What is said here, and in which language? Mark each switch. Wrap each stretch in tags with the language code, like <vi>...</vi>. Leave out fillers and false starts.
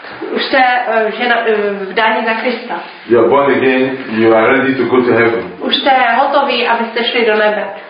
<cs>už jste žena vdaní za Krista.</cs> <en>You're born again, you are ready to go to heaven.</en> <cs>Už jste hotoví, abyste šli do nebe.</cs>